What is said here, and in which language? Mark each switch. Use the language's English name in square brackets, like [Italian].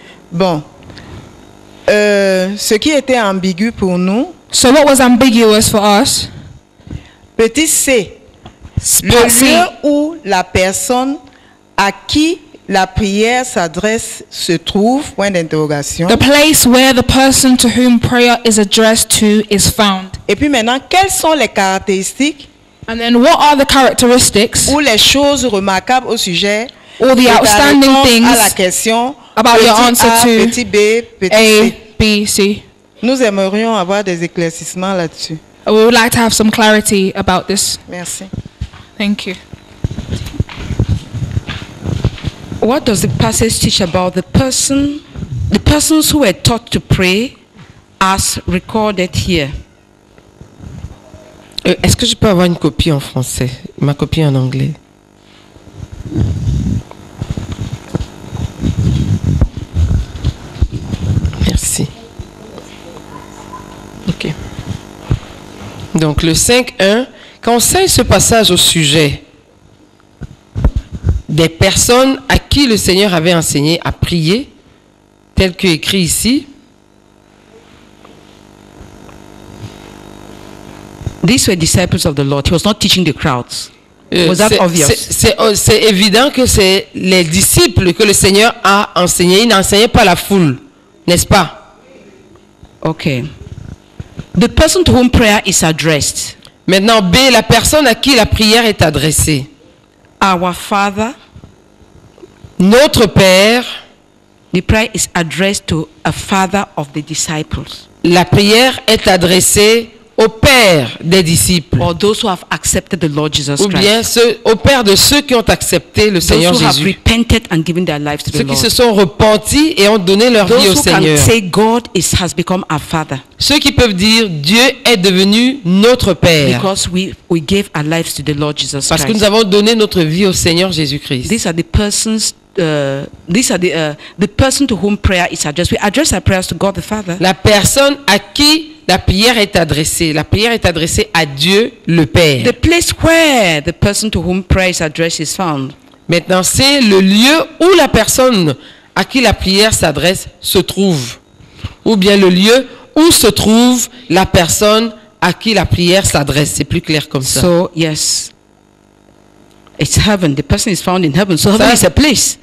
[French] Bon. Ce qui était ambigu pour nous. [English] So what was ambiguous for us? [French] Petit C. Le lieu où la personne à qui la prière s'adresse se trouve, point d'interrogation. [English] The place where the person to whom prayer is addressed to is found. [French] Et puis maintenant, quelles sont les caractéristiques? [English] And then what are the characteristics? [French] Ou les choses remarquables au sujet? [English] Or the outstanding things [French] à la question, [English] about your answer A, to [French] petit B, petit A, C. B, C. Nous aimerions avoir des éclaircissements là-dessus. [English] We would like to have some clarity about this. [French] Merci. [English] Thank you. What does the passage teach about the persons who were taught to pray as recorded here? [French] Est-ce que je peux avoir une copie en français? Ma copie en anglais. Merci. OK. Donc le 5.1, conseille ce passage au sujet des personnes à qui le Seigneur avait enseigné à prier, tel que écrit ici. [English] These were disciples of the Lord. He was not teaching the crowds. Was that obvious? [French] C'est évident que c'est les disciples que le Seigneur a enseigné. Il n'enseignait pas la foule, n'est-ce pas? [English] Okay. The person to whom prayer is addressed. [French] Maintenant, B, la personne à qui la prière est adressée. [English] Our Father. [French] Notre Père. [English] The prayer is addressed to a father of the disciples. [French] La prière est adressée au Père des disciples. [English] Or those who have accepted the Lord Jesus Christ. [French] Ou bien au Père de ceux qui ont accepté le Seigneur Jésus. [English] Those who have repented and given their lives to the Lord. [French] Ceux qui se sont repentis et ont donné leur vie au Seigneur. [English] Those who can say God has become our Father. [French] Ceux qui peuvent dire Dieu est devenu notre Père. [English] Because we gave our lives to the Lord Jesus Christ. [French] Parce que nous avons donné notre vie au Seigneur Jésus Christ. [English] These are the persons. These are the person to whom prayer is addressed. We address our prayers to God the Father. [French] La personne à qui la prière est adressée. La prière est adressée à Dieu le Père. [English] The place where the person to whom prayer is addressed is found. [French] Maintenant, c'est le lieu où la personne à qui la prière s'adresse se trouve. Ou bien le lieu où se trouve la personne à qui la prière s'adresse. C'est plus clair comme ça. [English] So, yes. It's heaven. The person is found in heaven. So heaven is a place.